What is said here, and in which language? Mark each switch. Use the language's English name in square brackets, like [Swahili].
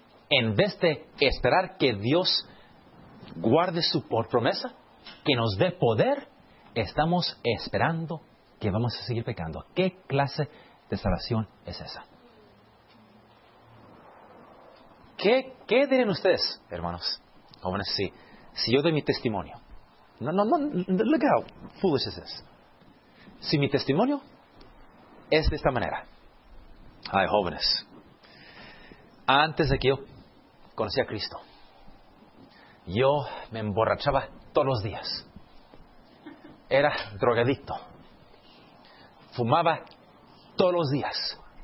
[Spanish] En vez de esperar que Dios guarde su promesa, que nos dé poder, estamos esperando que vamos a seguir pecando. ¿Qué clase de salvación es esa? ¿Qué dirían ustedes, hermanos, jóvenes, si yo doy mi testimonio? [English] No, look how foolish this is. [Spanish] Si mi testimonio es de esta manera. Ay, jóvenes, antes de que yo conocí a Cristo, yo me emborrachaba todos los días. Era drogadicto. Fumaba todos los días.